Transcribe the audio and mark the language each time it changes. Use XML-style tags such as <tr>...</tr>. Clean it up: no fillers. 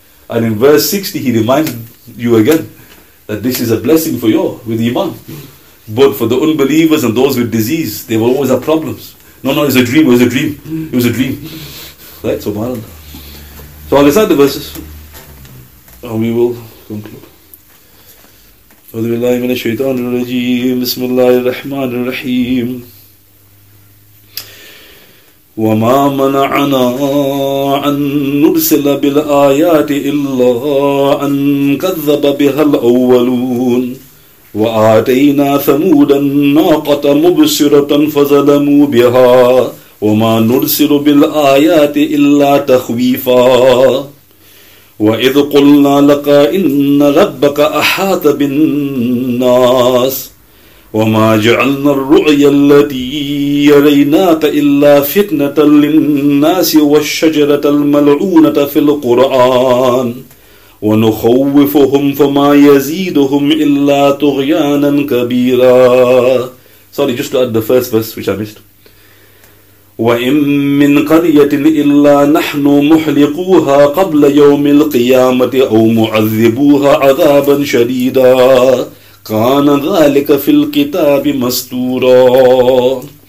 <en>And in verse 60, He reminds you again that this is a blessing for you with Iman. But for the unbelievers and those with disease, they will always have problems. No, it's a dream, It was a dream. Right? SubhanAllah. So I'll recite the verses. And we will conclude.</en> <ar>أعوذ بالله من الشيطان الرجيم بسم الله الرحمن الرحيم وما منعنا أن نرسل بالآيات إلا أن كذب بها الأولون وآتينا ثمود الناقة مبصرة فظلموا بها وما نرسل بالآيات إلا تخويفا وَإِذْ قُلْنَا لَكَ إِنَّ رَبَّكَ أَحَاطَ بِالنَّاسِ وَمَا جَعَلْنَا الرُّؤْيَا الَّتِي يَرَيْنَاكَ إِلَّا فِتْنَةً لِلنَّاسِ وَالشَّجَرَةَ الْمَلْعُونَةَ فِي الْقُرْآنِ وَنُخَوِّفُهُمْ فَمَا يَزِيدُهُمْ إِلَّا طُغْيَانًا كَبِيرًا.</ar> <en>Sorry, just to add the first verse which I missed.</en> <ar>وَإِن مِّن قَرْيَةٍ إِلَّا نَحْنُ مُحْلِقُوهَا قَبْلَ يَوْمِ الْقِيَامَةِ أَوْ مُعَذِّبُوهَا عَذَابًا شَدِيدًا كَانَ ذَلِكَ فِي الْكِتَابِ مَسْتُورًا.</ar>